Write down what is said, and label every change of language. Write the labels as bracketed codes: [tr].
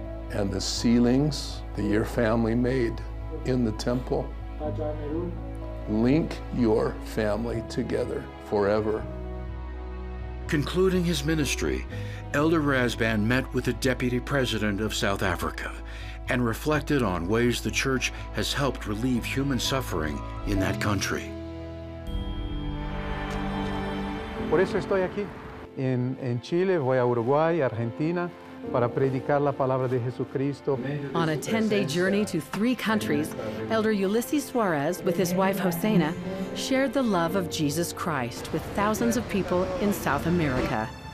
[en] And the ceilings that your family made in the temple link your family together forever. Concluding his ministry, Elder Rasband met with the deputy president of South Africa and reflected on ways the church has helped relieve human suffering in that country. [es] Por eso estoy aquí. En Chile, voy a Uruguay, Argentina, para predicar la palabra de Jesucristo. [en] On a 10-day journey to three countries, Elder Ulysses Suarez, with his wife Hosena, shared the love of Jesus Christ with thousands of people in South America.